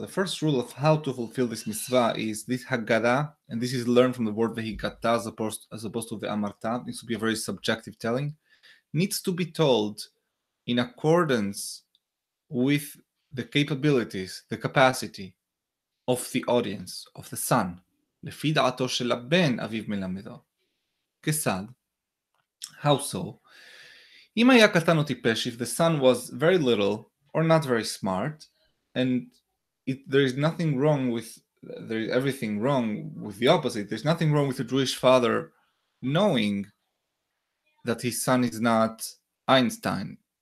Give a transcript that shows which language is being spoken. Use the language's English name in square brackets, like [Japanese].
[English] The first rule of how to fulfill this mitzvah is this Haggadah, and this is learned from the word v'higadta as opposed to the amarta. It needs to be a very subjective telling. Needs to be told in accordance with the capabilities, the capacity of the audience, of the son. [Hebrew] לפי דעתו של הבן, אביו מלמדו. כסד, how so? אם היה קטן או טיפש, [English] if the son was very little or not very smart, and there's nothing wrong with a Jewish father knowing that his son is not Einstein.